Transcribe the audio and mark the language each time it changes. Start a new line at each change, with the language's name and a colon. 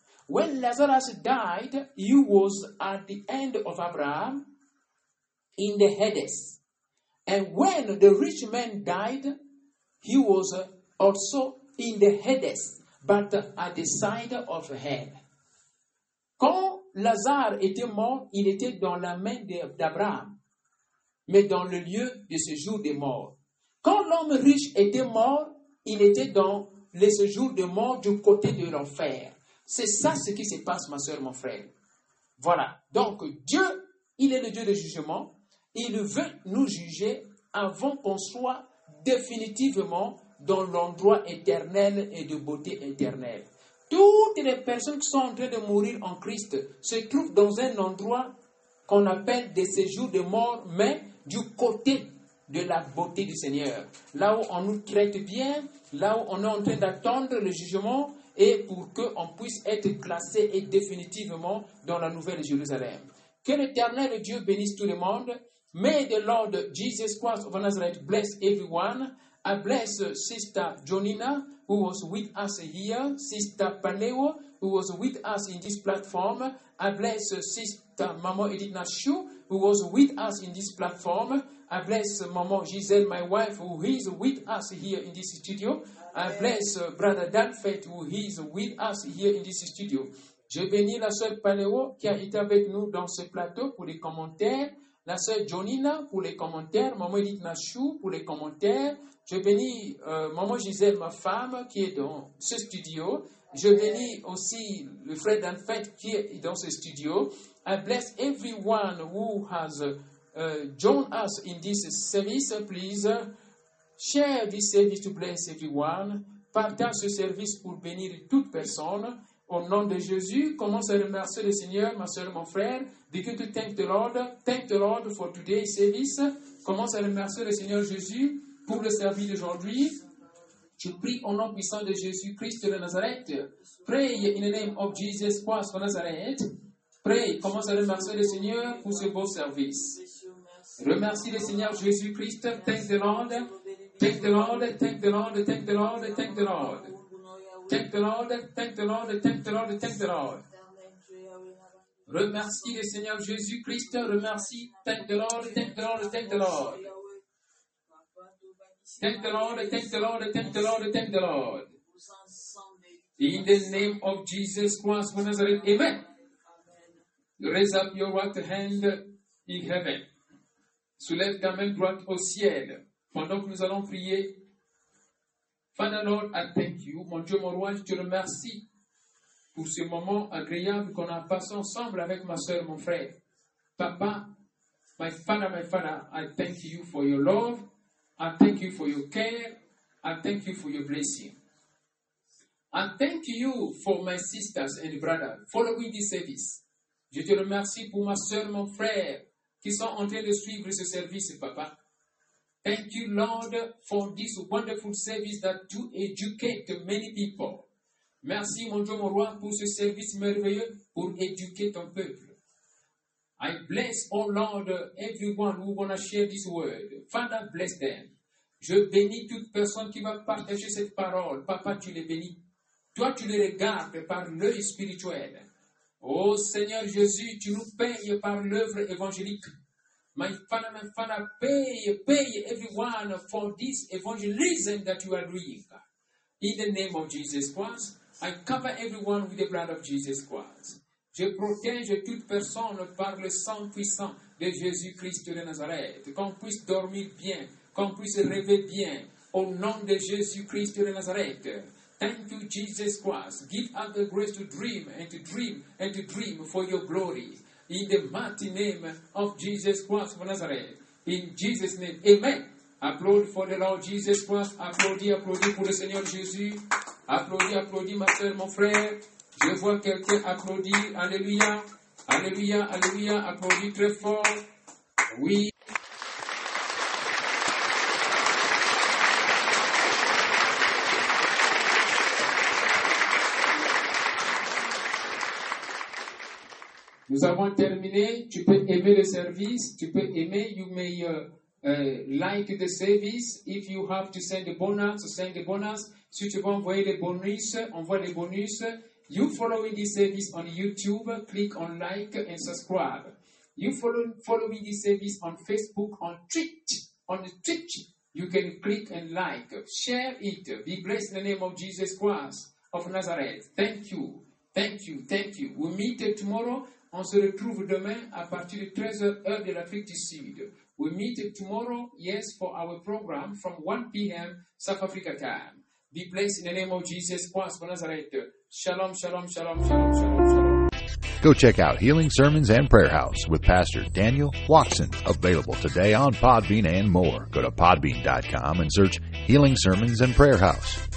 English: When Lazarus died, he was at the end of Abraham in the Hades. And when the rich man died, he was also in the Hades, but at the side of hell.
French: Quand Lazare était mort, il était dans la main d'Abraham, mais dans le lieu de séjour des morts. Quand l'homme riche était mort, il était dans le séjour des morts du côté de l'enfer. C'est ça ce qui se passe, ma soeur, mon frère. Voilà. Donc, Dieu, il est le Dieu de jugement. Il veut nous juger avant qu'on soit définitivement dans l'endroit éternel et de beauté éternelle. Toutes les personnes qui sont en train de mourir en Christ se trouvent dans un endroit qu'on appelle des séjours de mort, mais du côté de la beauté du Seigneur. Là où on nous traite bien, là où on est en train d'attendre le jugement et pour qu'on puisse être classé et définitivement dans la nouvelle Jérusalem. Que l'éternel Dieu bénisse tout le monde.
English: May the Lord Jesus Christ of Nazareth bless everyone. I bless Sister Jonina, who was with us here, Sister Paneo, who was with us in this platform. I bless Sister Mama Edith Nashu, who was with us in this platform. I bless Mama Giselle, my wife, who is with us here in this studio. Amen. I bless Brother Danfait, who is with us here in this studio.
French: Je bénis la sœur Paneo qui a été avec nous dans ce plateau pour les commentaires. La sœur Jonina pour les commentaires, Maman Edith Nashu pour les commentaires. Je bénis Maman Giselle, ma femme, qui est dans ce studio. Je bénis aussi le frère Danfait qui est dans ce studio.
English: I bless everyone who has joined us in this service. Please share this service to bless everyone.
French: Partage ce service pour bénir toute personne. Au nom de Jésus, commence à remercier le Seigneur, ma soeur, mon frère.
English: Begin to thank the Lord for today's service.
French: Commence à remercier le Seigneur Jésus pour le service d'aujourd'hui. Je prie au nom puissant de Jésus Christ de Nazareth.
English: Pray in the name of Jesus Christ of Nazareth. Pray,
French: commence à remercier le Seigneur pour ce beau service. Remercie le Seigneur Jésus Christ.
English: Thank the Lord. Thank the Lord. Thank the Lord. Thank the Lord. Thank the Lord. Thank the Lord, thank the Lord, thank the Lord, thank the Lord.
French: Remercie le Seigneur Jésus-Christ. Remercie.
English: Thank the Lord. Thank the Lord. In the name of Jesus Christ of Nazareth, amen. Raise up your right hand in heaven.
French: Soulève ta main droite au ciel. Pendant que nous allons prier,
English: Father Lord, I thank you.
French: Mon Dieu, mon roi, je te remercie pour ce moment agréable qu'on a passé ensemble avec ma soeur, mon frère.
English: Papa, my father, I thank you for your love. I thank you for your care. I thank you for your blessing. I thank you for my sisters and brothers following this service.
French: Je te remercie pour ma soeur, mon frère, qui sont en train de suivre ce service, papa.
English: Thank you, Lord, for this wonderful service that to educate many people.
French: Merci, mon Dieu, mon roi, pour ce service merveilleux pour éduquer ton peuple.
English: I bless, oh Lord, everyone who want to share this word. Father, bless them.
French: Je bénis toute personne qui va partager cette parole. Papa, tu les bénis. Toi, tu les regardes par l'œil spirituel. Oh Seigneur Jésus, tu nous payes par l'œuvre évangélique.
English: My father, pay everyone for this evangelism that you are doing. In the name of Jesus Christ, I cover everyone with the blood of Jesus Christ.
French: Je protège toute personne par le sang puissant de Jésus-Christ de Nazareth. Qu'on puisse dormir bien, qu'on puisse rêver bien, au nom de Jésus-Christ de Nazareth.
English: Thank you, Jesus Christ. Give us the grace to dream and to dream and to dream for your glory. In the mighty name of Jesus Christ of Nazareth. In Jesus' name. Amen. Applaud for the Lord Jesus Christ.
French: Applaudis pour le Seigneur Jésus. Applaudis, ma soeur, mon frère. Je vois quelqu'un applaudir. Alléluia. Alléluia, alléluia. Applaudis très fort. Oui. Nous avons terminé. Tu peux aimer le service. Tu peux aimer.
English: You may like the service. If you have to send a bonus.
French: Si tu veux envoyer les bonus, envoie les bonus.
English: You following this service on YouTube, click on like and subscribe. You following this service on Facebook, on Twitch, you can click and like. Share it. Be blessed in the name of Jesus Christ of Nazareth. Thank you. We meet tomorrow.
French: On se retrouve demain à partir de 13h heure de l'Afrique du Sud.
English: We meet tomorrow, yes, for our program from 1 p.m. South Africa time. Be blessed in the name of Jesus Christ of Nazareth. Shalom. Go check out Healing Sermons and Prayer House with Pastor Daniel Watson. Available today on Podbean and more. Go to podbean.com and search Healing Sermons and Prayer House.